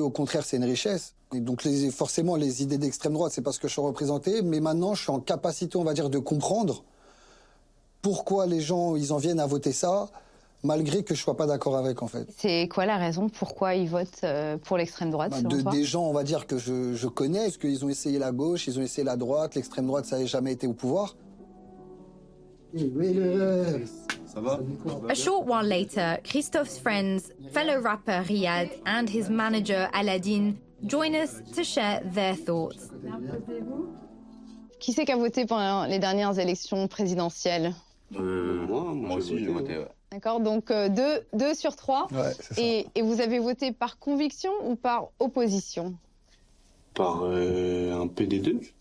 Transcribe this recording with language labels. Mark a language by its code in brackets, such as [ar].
[fr] Au contraire, c'est une richesse. Et donc forcément, les idées d'extrême droite, c'est pas ce que je suis représenté. Mais maintenant, je suis en capacité, on va dire, de comprendre pourquoi les gens, ils en viennent à voter ça, malgré que je ne sois pas d'accord avec, en fait. C'est quoi la raison pourquoi ils votent pour l'extrême droite, selon toi ? Des gens, on va dire, que je connais, parce qu'ils ont essayé la gauche, ils ont essayé la droite, l'extrême droite, ça n'avait jamais été au pouvoir. [en] A short while later, Christophe's friends, fellow rapper Riyad, and his manager Aladdin join us to share their thoughts. [fr] Qui c'est qui a voté pendant les dernières élections présidentielles? Moi aussi, j'ai voté. Ouais. D'accord, donc deux sur trois. Ouais, c'est ça. Et vous avez voté par conviction ou par opposition? Par un peu des deux.